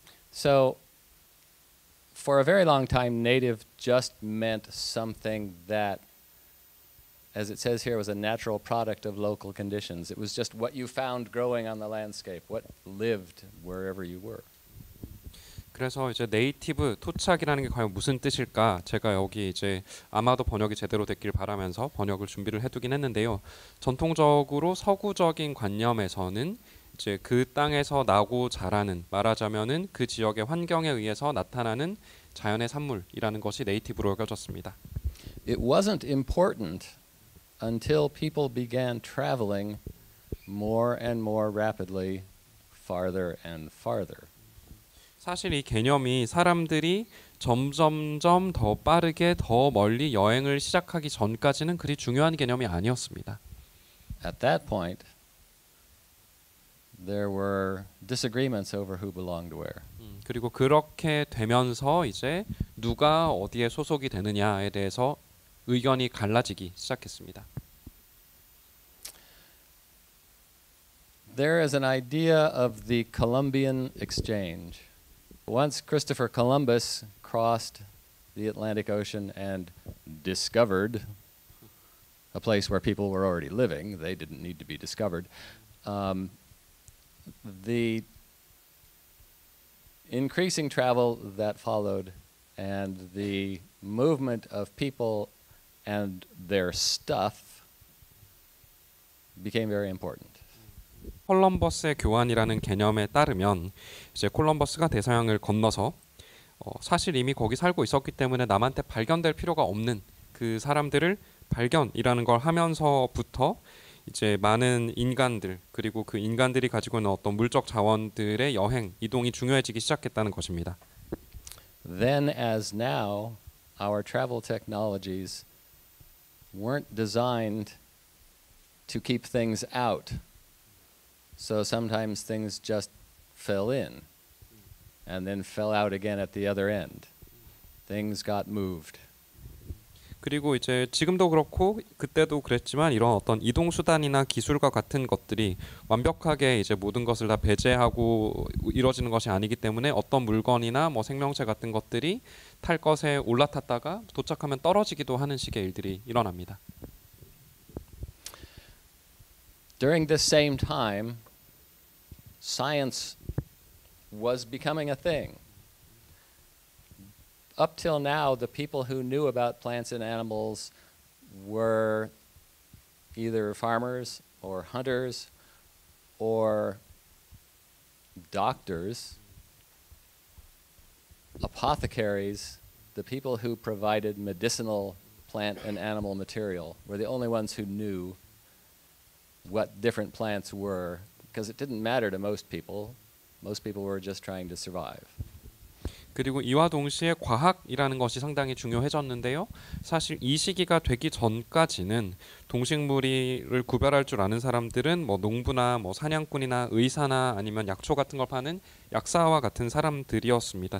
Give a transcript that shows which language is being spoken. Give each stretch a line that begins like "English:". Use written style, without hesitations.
English: So, for a very long time, native just meant something that, as it says here, was a natural product of local conditions. It was just what you found growing on the landscape, what lived wherever you were.
Korean: 그래서 이제 네이티브 토착이라는 게 과연 무슨 뜻일까? 제가 여기 이제 아마도 번역이 제대로 됐길 바라면서 번역을 준비를 해두긴 했는데요. 전통적으로 서구적인 관념에서는 이제 그 땅에서 나고 자라는, 말하자면은 그 지역의 환경에 의해서 나타나는 자연의 산물이라는 것이 네이티브로 여겨졌습니다.
English: It wasn't important until people began traveling more and more rapidly farther and farther.
Korean: 사실 이 개념이 사람들이 점점점 더 빠르게 더 멀리 여행을 시작하기 전까지는 그리 중요한 개념이 아니었습니다.
English: At that point there were disagreements over who belonged where.
Korean: 그리고 그렇게 되면서 이제 누가 어디에 소속이 되느냐에 대해서 의견이 갈라지기 시작했습니다.
English: There is an idea of the Columbian Exchange. Once Christopher Columbus crossed the Atlantic Ocean and discovered a place where people were already living, they didn't need to be discovered, the increasing travel that followed and the movement of people and their stuff became very important.
Korean: 콜럼버스의 교환이라는 개념에 따르면 이제 콜럼버스가 대서양을 건너서 사실 이미 거기 살고 있었기 때문에 남한테 발견될 필요가 없는 그 사람들을 발견이라는 걸 하면서부터 이제 많은 인간들 그리고 그 인간들이 가지고 있는 어떤 물적 자원들의 여행 이동이 중요해지기 시작했다는 것입니다.
English: Then as now our travel technologies weren't designed to keep things out. So sometimes things just fell in and then fell out again at the other end. Things got moved.
Korean: 그리고 이제 지금도 그렇고 그때도 그랬지만 이런 어떤 이동 수단이나 기술과 같은 것들이 완벽하게 이제 모든 것을 다 배제하고 이루어지는 것이 아니기 때문에 어떤 물건이나 뭐 생명체 같은 것들이 탈 것에 올라탔다가 도착하면 떨어지기도 하는 식의 일들이 일어납니다.
English: During this same time, science was becoming a thing. Up till now, the people who knew about plants and animals were either farmers or hunters or doctors, apothecaries, the people who provided medicinal plant and animal material were the only ones who knew what different plants were, because it didn't matter to most people. Most people were just trying to survive.
Korean: 그리고 이와 동시에 과학이라는 것이 상당히 중요해졌는데요. 사실 이 시기가 되기 전까지는 동식물을 구별할 줄 아는 사람들은 뭐 농부나 뭐 사냥꾼이나 의사나 아니면 약초 같은 걸 파는 약사와 같은 사람들이었습니다.